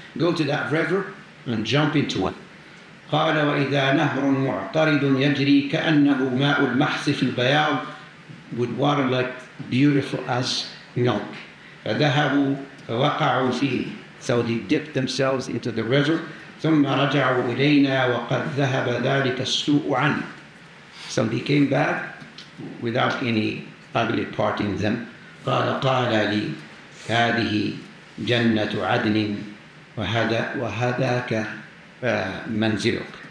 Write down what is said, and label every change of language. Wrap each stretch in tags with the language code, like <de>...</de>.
<en>Go to that river and jump into it.</en> <ar>قال وإذا نهر معترض يجري كأنه ماء المحس في البياض</ar> <en>with water like beautiful as milk.</en> <ar>فذهبوا وقعوا فيه.</ar> <en>So they dipped themselves into the river.</en> <ar>ثم رجعوا إلينا وقد ذهب ذلك السوء عنه.</ar> <en>So they came back without any ugly part in them.</en> <ar>قال لي هذه جنة عدن وهذاك منزلك.</ar>